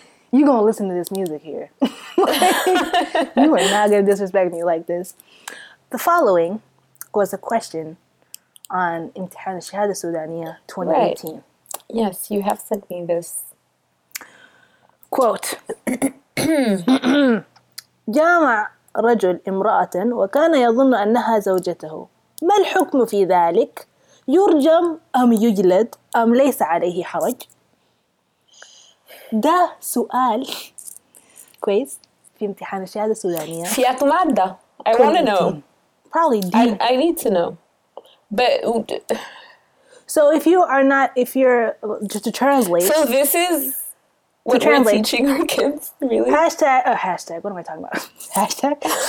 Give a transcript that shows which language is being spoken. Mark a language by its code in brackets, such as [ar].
[en] You're going to listen to this music here. Like, you are not going to disrespect me like this. The following was a question on Imtihan al-Shahada Sudaniya 2018. Right. Yes, you have sent me this. Quote. [ar] جامع رجل امرأة وكان يظن أنها زوجته ما الحكم في ذلك يرجم أم يجلد أم ليس عليه حرج ده سؤال كويس في امتحان الشهادة السودانية في أقمع ده [en] I want to know probably D I need to know but so if you are not if you're just to translate so this is what we're teaching our kids, really? Hashtag, what am I talking about? Hashtag?